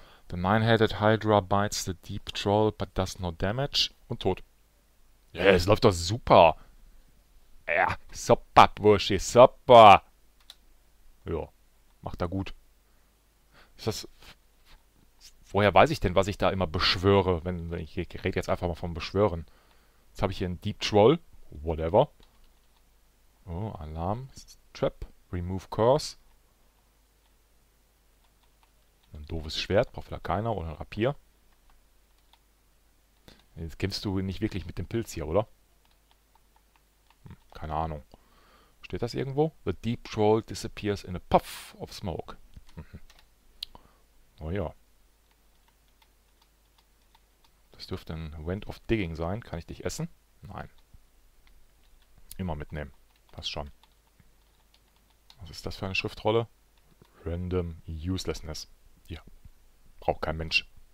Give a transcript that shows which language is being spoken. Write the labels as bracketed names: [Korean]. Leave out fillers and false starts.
[English] The nine-headed Hydra bites the deep troll, but does no damage. [German] Und tot. Ja, yeah, es läuft doch super. Ja, super, Bursche, super. Ja, macht da gut. Ist das... Woher weiß ich denn, was ich da immer beschwöre? Wenn ich rede jetzt einfach mal vom Beschwören. Jetzt habe ich hier einen Deep Troll. [English] Whatever. Oh, Alarm. Trap. Remove Curse. [German] Ein doofes Schwert. Braucht vielleicht keiner. Oder ein Rapier. Jetzt kämpfst du nicht wirklich mit dem Pilz hier, oder? Keine Ahnung. Steht das irgendwo? [English] The Deep Troll disappears in a puff of smoke. [German] Oh ja. Das dürfte ein Wind of Digging sein. Kann ich dich essen? Nein. Immer mitnehmen. Passt schon. Was ist das für eine Schriftrolle? Random Uselessness. Ja. Braucht kein Mensch.